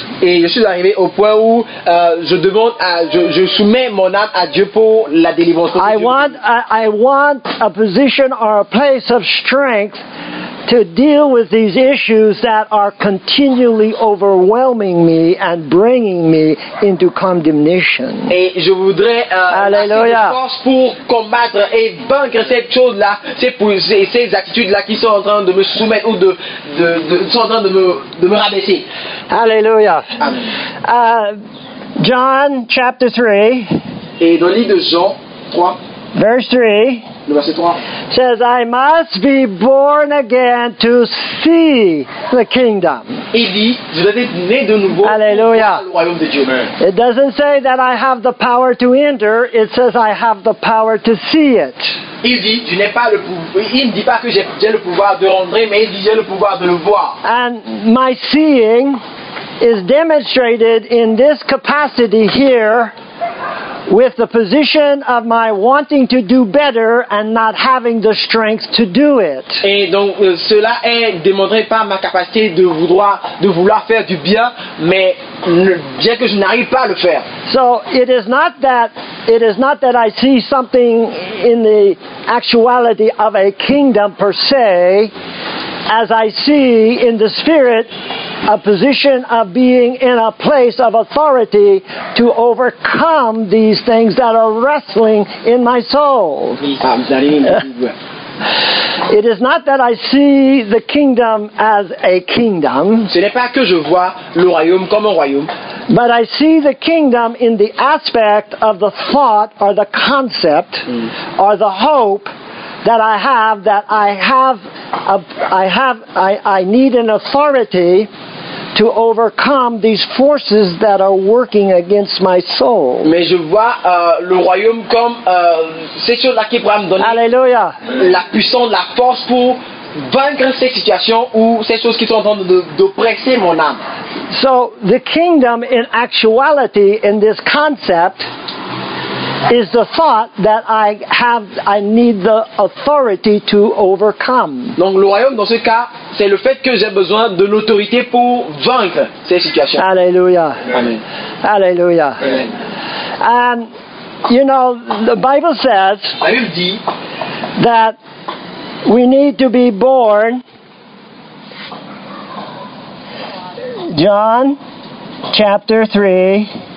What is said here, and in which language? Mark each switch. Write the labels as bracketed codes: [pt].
[fr] Et je suis arrivé au point où je soumets mon âme à Dieu pour la délivrance. [en] I want a position or a place of strength to deal with these issues that are continually overwhelming me and bringing me into condemnation. [fr] Et je voudrais la force pour combattre et vaincre cette chose-là, ces attitudes-là qui sont en train de me soumettre ou sont en train de me rabaisser. Alléluia. Amen. [en] John chapter 3. [fr] Et dans le livre de Jean 3. [en] Verse 3 says, I must be born again to see the kingdom. Hallelujah. It doesn't say that I have the power to enter, it says I have the power to see it. [fr] Il ne dit pas que j'ai le pouvoir de rentrer, mais il dit j'ai le pouvoir de le voir. [en] And my seeing is demonstrated in this capacity here. With the position of my wanting to do better and not having the strength to do it. [fr] Et donc cela est démontré par ma capacité de vouloir faire du bien, mais bien que je n'arrive pas à le faire. [en] So it is not that I see something in the actuality of a kingdom per se, as I see in the spirit a position of being in a place of authority to overcome these things that are wrestling in my soul. It is not that I see the kingdom as a kingdom. [fr] Ce n'est pas que je vois le royaume comme un royaume. [en] But I see the kingdom in the aspect of the thought or the concept or the hope that I have, that I need an authority to overcome these forces that are working against my soul. [fr] Mais je vois le royaume comme ces choses-là qui pourraient me donner [en] Hallelujah. [fr] La puissance, la force pour vaincre ces situations ou ces choses qui sont en train d'oppresser mon âme. [en] So the kingdom in actuality in this concept is the thought that I need the authority to overcome. [fr] Donc le royaume dans ce cas, c'est le fait que j'ai besoin de l'autorité pour vaincre ces situations. Alléluia. Amen. Alléluia. Amen. [en] And you know, the Bible says that we need to be born. John chapter 3.